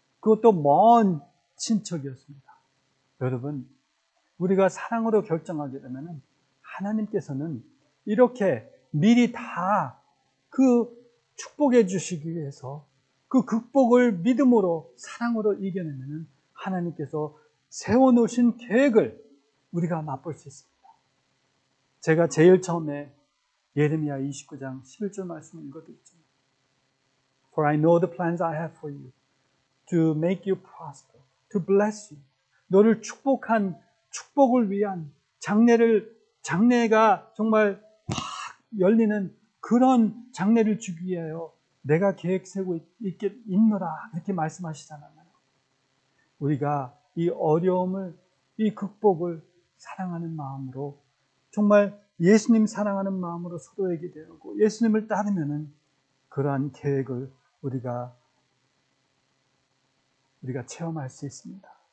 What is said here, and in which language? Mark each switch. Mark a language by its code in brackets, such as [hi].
[ko] 그것도 먼 친척이었습니다. 여러분, 우리가 사랑으로 결정하게 되면 하나님께서는 이렇게 미리 다 그 축복해 주시기 위해서 그 극복을 믿음으로 사랑으로 이겨내면 하나님께서 세워놓으신 계획을 우리가 맛볼 수 있습니다. 제가 제일 처음에 예레미야 29장 11절 말씀을 읽어드렸죠. [en] For I know the plans I have for you, to make you prosper, to bless you. [ko] 너를 축복한 축복을 위한 장래가 정말 확 열리는 그런 장래를 주기 위하여 내가 계획 세우고 있노라, 이렇게 말씀하시잖아요. 우리가 이 어려움을, 이 극복을 사랑하는 마음으로, 정말 예수님 사랑하는 마음으로 서로에게 대하고 예수님을 따르면은 그러한 계획을 우리가 체험할 수 있습니다.